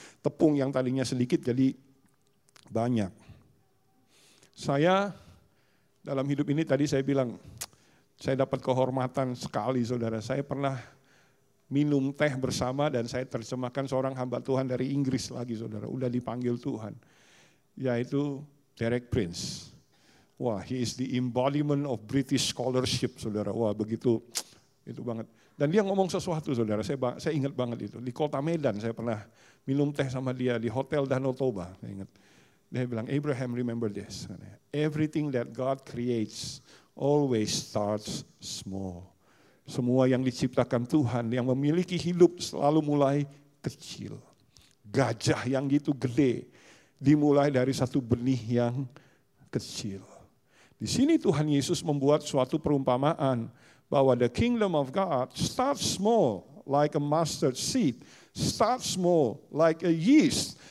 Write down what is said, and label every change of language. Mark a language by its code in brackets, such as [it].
[id] Tepung yang tadinya sedikit jadi banyak. Saya dalam hidup ini tadi saya bilang saya dapat kehormatan sekali saudara. Saya pernah minum teh bersama dan saya terjemahkan seorang hamba Tuhan dari Inggris lagi saudara. Udah dipanggil Tuhan. Yaitu Derek Prince. [en] Wah, he is the embodiment of British scholarship saudara. [id] Wah, begitu itu banget. Dan dia ngomong sesuatu saudara. Saya ingat banget itu. Di kota Medan saya pernah minum teh sama dia di Hotel Danau Toba. Saya ingat. Dia bilang, Abraham, [en] remember this. Everything that God creates always starts small. [id] Semua yang diciptakan Tuhan, yang memiliki hidup selalu mulai kecil. Gajah yang gitu gede, dimulai dari satu benih yang kecil. Di sini Tuhan Yesus membuat suatu perumpamaan, bahwa [en] the kingdom of God starts small like a mustard seed, starts small like a yeast.